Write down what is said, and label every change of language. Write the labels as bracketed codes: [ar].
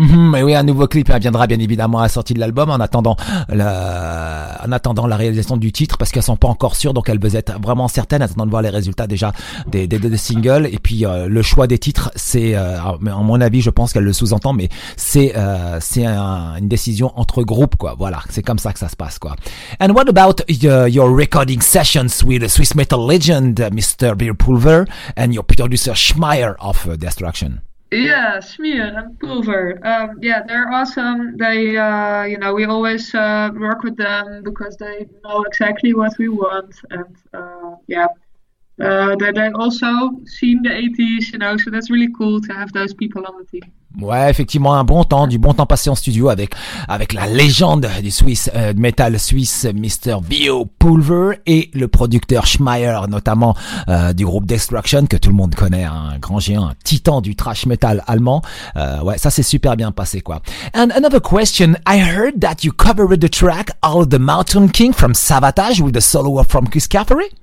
[fr] Mais oui, un nouveau clip viendra bien évidemment à la sortie de l'album en attendant la réalisation du titre parce qu'elles sont pas encore sûres, donc elles veulent être vraiment certaines, en attendant de voir les résultats déjà des singles. Et puis le choix des titres, c'est en mon avis, je pense qu'elle le sous-entend, mais c'est une décision entre groupes, quoi. Voilà, c'est comme ça que ça se passe, quoi. [en] And what about your recording sessions with the Swiss metal legend Mr. Beer Pulver and your producer Schmeier of Destruction? Yeah, Schmier and Pulver. They're awesome. They, we always work with them because they know exactly what we want. And they also seen the 80s, so that's really cool to have those people on the team. [fr] Ouais, effectivement, du bon temps passé en studio avec la légende du metal suisse Mr. Bio Pulver et le producteur Schmeier, notamment du groupe Destruction, que tout le monde connaît, un grand géant, un titan du thrash metal allemand. Ouais, ça s'est super bien passé, quoi. [en] And another question, I heard that you covered the track All the Mountain King from Savatage with the solo from Chris Caffery?